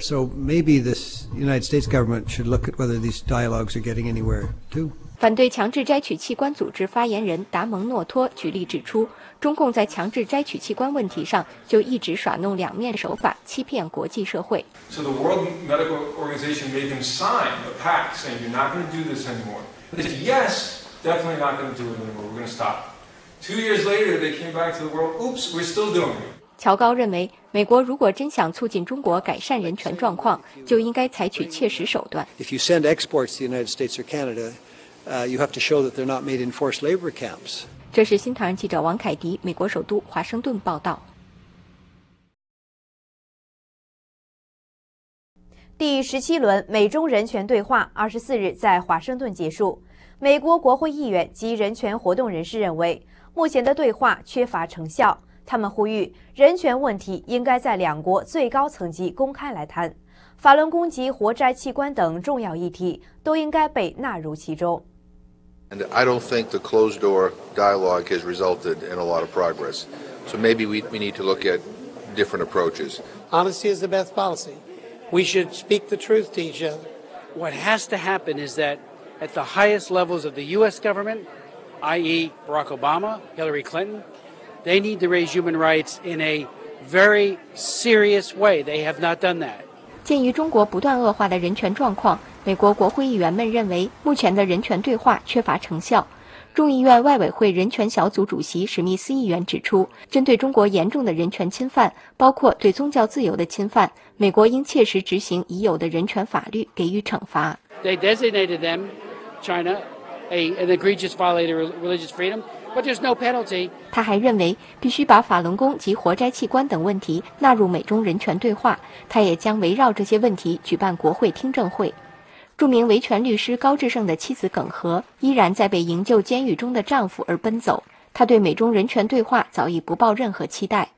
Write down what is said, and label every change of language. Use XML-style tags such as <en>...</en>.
<en>So maybe this United States government should look at whether these dialogues are getting anywhere too.</en> <zh>反对强制摘取器官组织发言人达蒙诺托举例指出，中共在强制摘取器官问题上就一直耍弄两面手法，欺骗国际社会。</zh> <en>So the World Medical Organization made them sign a pact saying you're not going to do this anymore. They said, yes, definitely not going to do it anymore. We're going to stop. 2 years later, they came back to the world. Oops, we're still doing it.</en> <zh>乔高认为，美国如果真想促进中国改善人权状况，就应该采取切实手段。</zh> <en>If you send exports to the United States or Canada, you have to show that they're not made in forced labor camps.</en> <zh>这是新唐人记者王凯迪，美国首都华盛顿报道。第17轮美中人权对话24日在华盛顿结束。美国国会议员及人权活动人士认为，目前的对话缺乏成效。他们呼吁，人权问题应该在两国最高层级公开来谈，法轮功及活摘器官等重要议题都应该被纳入其中。</zh> <en>And I don't think the closed door dialogue has resulted in a lot of progress. So maybe we need to look at different approaches. Honesty is the best policy. We should speak the truth to each other. What has to happen is that at the highest levels of the U.S. government, i.e. Barack Obama, Hillary Clinton, they need to raise human rights in a very serious way. They have not done that.</en> <zh>鉴于中国不断恶化的人权状况，美国国会议员们认为目前的人权对话缺乏成效。众议院外委会人权小组主席史密斯议员指出，针对中国严重的人权侵犯，包括对宗教自由的侵犯，美国应切实执行已有的人权法律给予惩罚。</zh> <en>They designated them, China, an egregious violator of religious freedom, but there's no penalty.</en> <zh>他还认为，必须把法轮功及活摘器官等问题纳入美中人权对话，他也将围绕这些问题举办国会听证会。著名维权律师高志胜的妻子耿和依然在被营救监狱中的丈夫而奔走，他对美中人权对话早已不抱任何期待。</zh>